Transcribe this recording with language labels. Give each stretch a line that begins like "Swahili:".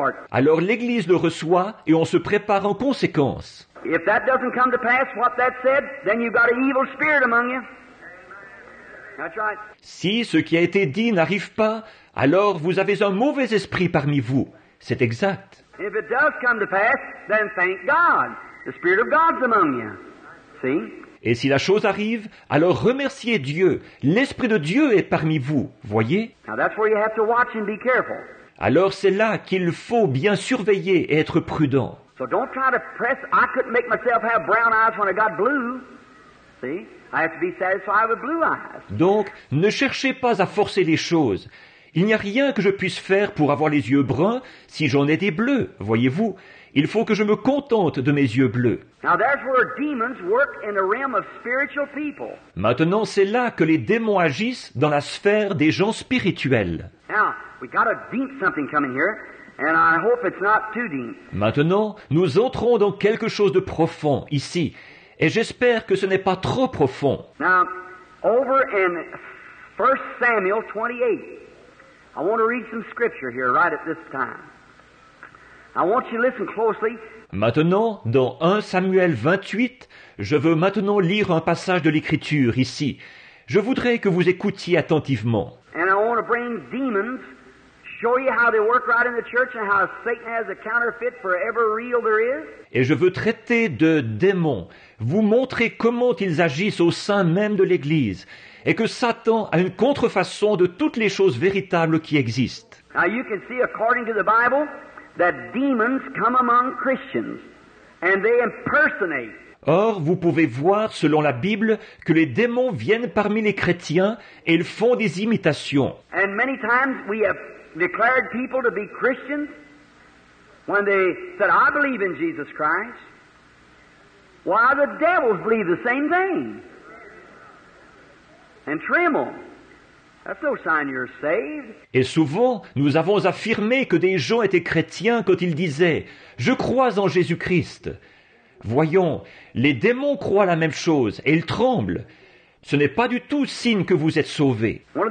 French: Alors l'Église le reçoit et on se prépare en conséquence.
English: If that doesn't come to pass, what that said, then you've got an evil spirit among you. That's right.
French: Si ce qui a été dit n'arrive pas, alors vous avez un mauvais esprit parmi vous. C'est exact.
English: If it does come to pass, then thank God. The Spirit of God's among you. see?
French: Et si la chose arrive, alors remerciez Dieu. L'Esprit de Dieu est parmi vous, voyez?
English: Now that's where you have to watch and be careful.
French: Alors c'est là qu'il faut bien surveiller et être prudent.
English: So don't try to press. I couldn't make myself have brown eyes when I got blue. See? I have to be satisfied with blue eyes.
French: Donc, ne cherchez pas à forcer les choses. Il n'y a rien que je puisse faire pour avoir les yeux bruns si j'en ai des bleus, voyez-vous. Il faut que je me contente de mes yeux bleus.
English: Now that's where demons work in the realm of spiritual people.
French: Maintenant, c'est là que les démons agissent dans la sphère des gens spirituels.
English: Now, we got a deep something coming here. And I hope it's not too deep.
French: Maintenant, nous entrons dans quelque chose de profond ici, et j'espère que ce n'est pas trop profond.
English: Now, over in 1 Samuel 28, I want to read some scripture here right at this time. I want you to listen closely.
French: Maintenant, dans 1 Samuel 28, je veux maintenant lire un passage de l'Écriture ici. Je voudrais que vous écoutiez attentivement.
English: And I want to bring demons. Show you how they work right in the church and how Satan has a counterfeit for every real there is.
French: Et je veux traiter de démons, vous montrer comment ils agissent au sein même de l'Église, et que Satan a une contrefaçon de toutes les choses véritables qui existent.
English: Now you can see, according to the Bible, that demons come among Christians and they impersonate.
French: Or, vous pouvez voir, selon la Bible, que les démons viennent parmi les chrétiens et ils font des imitations.
English: And many times we have declared people to be Christians when they said, I believe in Jesus Christ. Why, the devils believe the same thing and tremble. That's no sign you're saved.
French: Et souvent, nous avons affirmé que des gens étaient chrétiens quand ils disaient, je crois en Jésus-Christ. Voyons, les démons croient la même chose et ils tremblent. Ce n'est pas du tout signe que vous êtes sauvé.